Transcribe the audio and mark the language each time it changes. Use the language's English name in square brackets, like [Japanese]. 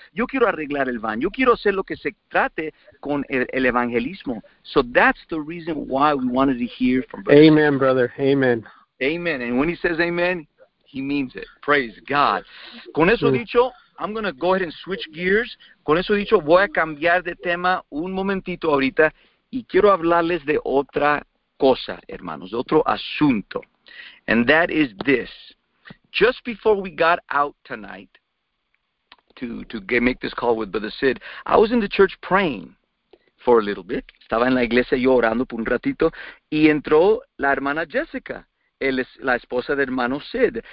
[Spanish] Yo quiero arreglar el van. Yo quiero hacer lo que se trate con el evangelismo. [English] So that's the reason why we wanted to hear from Brother. Amen, brother. Amen. Amen. And when he says amen, he means it. Praise God. [Spanish] Con eso dicho, [English] I'm going to go ahead and switch gears. [Spanish] Con eso dicho, voy a cambiar de tema un momentito ahorita y quiero hablarles de otra cosa, hermanos, de otro asunto. [English] And that is this. Just before we got out tonight, make this call with Brother Sid, I was in the church praying for a little bit. [Spanish] Estaba en la iglesia yo orando por un ratito, y entró la hermana Jessica, la esposa del hermano Sid.